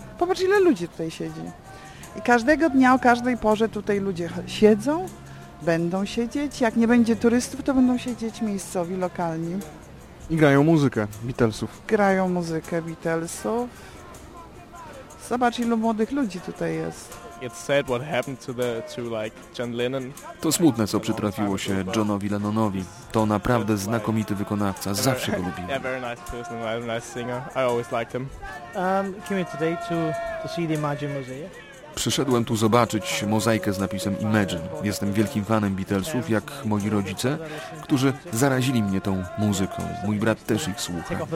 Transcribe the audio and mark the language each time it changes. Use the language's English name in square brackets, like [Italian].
[Polish] Popatrz, ile ludzi tutaj siedzi. I każdego dnia, o każdej porze tutaj ludzie siedzą, będą siedzieć. Jak nie będzie turystów, to będą siedzieć miejscowi, lokalni. I grają muzykę Beatlesów. Grają muzykę Beatlesów. Zobacz, ilu młodych ludzi tutaj jest. [English] It's sad what happened to the like John Lennon. [Polish] To smutne, co przytrafiło się Johnowi Lennonowi. To naprawdę znakomity wykonawca. Zawsze go lubiłem. [English] A very nice person, a nice singer. I always liked him. Came here today to see the Imagine Mosaic. [Polish] Przyszedłem tu zobaczyć mozaikę z napisem Imagine. Jestem wielkim fanem Beatlesów, jak moi rodzice, którzy zarazili mnie tą muzyką. Mój brat też ich słucha.